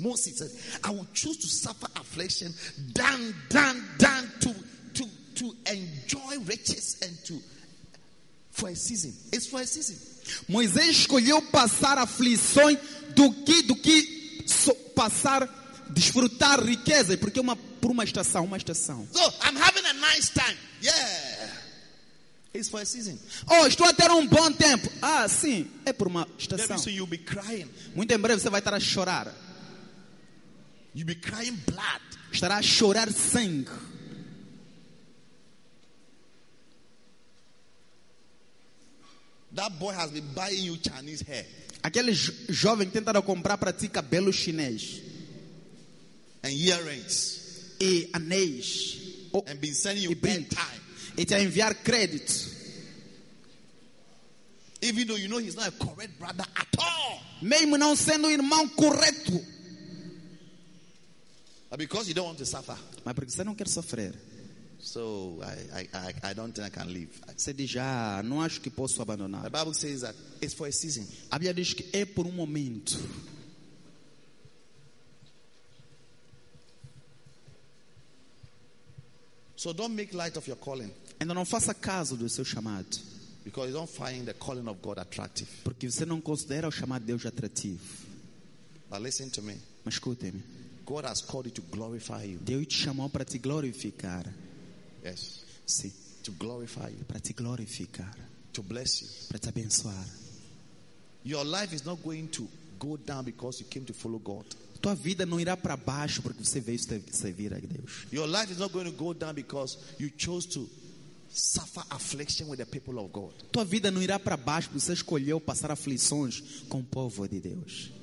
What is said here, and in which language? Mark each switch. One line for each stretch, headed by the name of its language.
English: Moses said, I will choose to suffer affliction than to enjoy riches and to for a season. It's for a season.
Portuguese: Moisés escolheu passar aflições do que passar desfrutar riqueza, porque por uma estação.
English: So, I'm having a nice time. Yeah. It's for a season.
Portuguese: Oh, estou a ter um bom tempo. Ah, sim, é por uma estação.
English: So you'll be crying.
Portuguese: Muito em breve você vai estar a chorar.
English: You'll be crying blood.
Portuguese: Estará a chorar sangue.
English: That boy has been buying you Chinese hair.
Portuguese: Aquele jovem tentando comprar para ti cabelo chinês.
English: And earrings.
Portuguese: E anéis.
English: Oh. And been sending you bad time.
Portuguese: E te enviar crédito.
English: Even though you know he's not a correct brother at all.
Portuguese: Mesmo não sendo irmão correto.
English: But because you don't want to suffer.
Portuguese: Mas porque você não quer sofrer.
English: So I don't think I can leave.
Portuguese: Você diz, ah, não acho que posso abandonar.
English: The Bible says that it's for a season.
Portuguese: A Bíblia diz que é por um momento.
English: So don't make light of your calling.
Portuguese: Então não faça caso do seu chamado.
English: Because you don't find the calling of God attractive.
Portuguese: Porque você não considera o chamado de Deus atrativo.
English: But listen to me.
Portuguese: Mas escute-me.
English: God has called you to glorify you.
Portuguese: Deus te chamou para te glorificar.
English: Yes.
Portuguese: Sim.
English: To glorify you.
Portuguese: Para te glorificar.
English: To bless you.
Portuguese: Para te abençoar.
English: Your life is not going to go down because you came to follow God.
Portuguese: Tua vida não irá para baixo porque você veio servir a Deus.
English: Your life is not going to go down because you chose to suffer affliction with the people of God.
Portuguese: Tua vida não irá para baixo porque você escolheu passar aflições com o povo de Deus.